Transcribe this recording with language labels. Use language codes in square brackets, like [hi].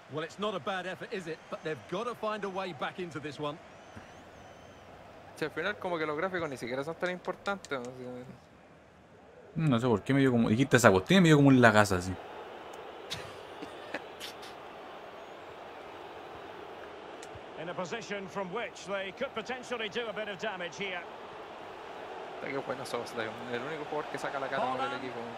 [en] Well, it's not a bad effort, is it? But they've got to find a way back into this one. [es] Che, al final como que los gráficos ni siquiera son tan importantes. No sé por qué me dio como dijiste esa cuestión, me dio como un lagazo así. [en] In a position from which they could potentially do a bit of damage here. [es] Qué bueno sos, Leon. El único jugador que saca la cara con el equipo.